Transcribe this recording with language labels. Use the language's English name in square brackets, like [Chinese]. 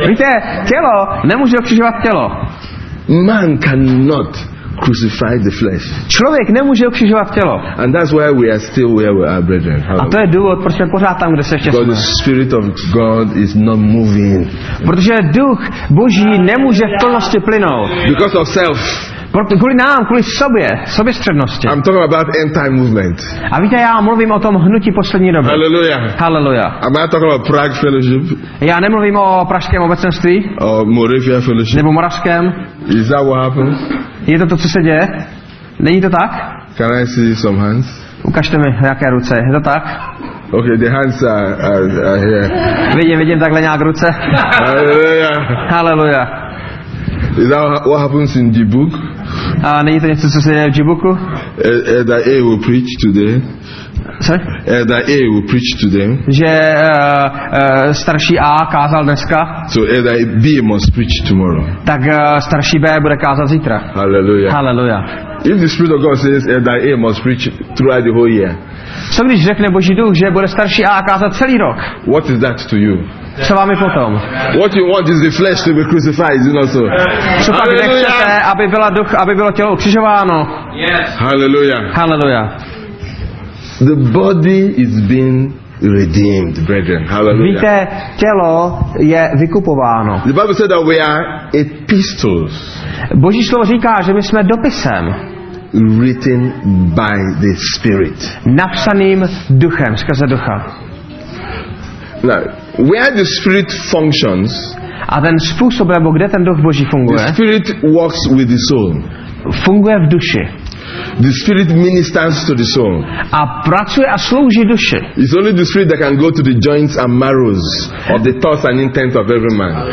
[Czech] Víte, tělo nemůže ukřižovat tělo. [English] Man cannot crucify the flesh. [Czech] Člověk nemůže ukřižovat tělo. [English] And that's why we are still where we are, brethren. [Czech] A to je důvod, proč jsme pořád tam, kde se ještě jsme. [English] The spirit of God is not moving. [Czech] Protože duch Boží nemůže v plnosti plynout. [English] Because of self. [Czech] Kvůli nám, kvůli sobě, soběstřednosti. [English] I'm talking about end time movement. [Czech] A víte, já mluvím o tom hnutí poslední doby. [English] Hallelujah. [Czech] Hallelujah. [English] Am I talking about Prague Fellowship? [Czech] Já nemluvím o pražském obecenství. [English] Or Moravia Fellowship. [Czech] Nebo moravském. [English] Is that what happens? [Czech] Je to, co se děje? Není to tak? [English] Can I see some hands? [Czech] Ukažte mi, jaké ruce. Je to tak? [English] Okay, the hands are here. [Czech] Vidím takhle nějak ruce. [English] Hallelujah. [Czech] Hallelujah. [English] Is that what happens in Djibouk? [Czech] Není to něco, co se děje v Djibouku? [English] That A will preach today. Elder A will preach to them. [Czech] Že starší A kázal dneska. [English] So Elder B must preach tomorrow. [Czech] Tak starší B bude kázat zítra. [English] Hallelujah. [Czech] Hallelujah. [English] If the Spirit of God says Elder A must preach throughout the whole year. [Czech] Co když řekne Boží duch, že bude starší A kázat celý rok? [English] What is that to you? [Czech] Co vám je potom? [English] What you want is the flesh to be crucified, you know so. [Czech] Co pak nechcete, aby byla duch, aby bylo tělo ukřižováno? [English] Yes. Hallelujah. [Czech] Hallelujah. [English] The body is being redeemed, brethren. Hallelujah. [Czech] Víte, tělo je vykupováno. [English] The Bible said that we are epistles. [Czech] Boží slovo říká, že my jsme dopisem. [English] Written by the Spirit. [Czech] Napsaným duchem, skrze ducha. [English] Now, where the Spirit functions. [Czech] A ten způsob, nebo kde ten duch Boží funguje. [English] The Spirit works with the soul. [Czech] Funguje v duši. [English] The Spirit ministers to the soul. [Czech] A pracuje a slouží duši. [English] It's only the Spirit that can go to the joints and marrows of the thoughts and intent of every man.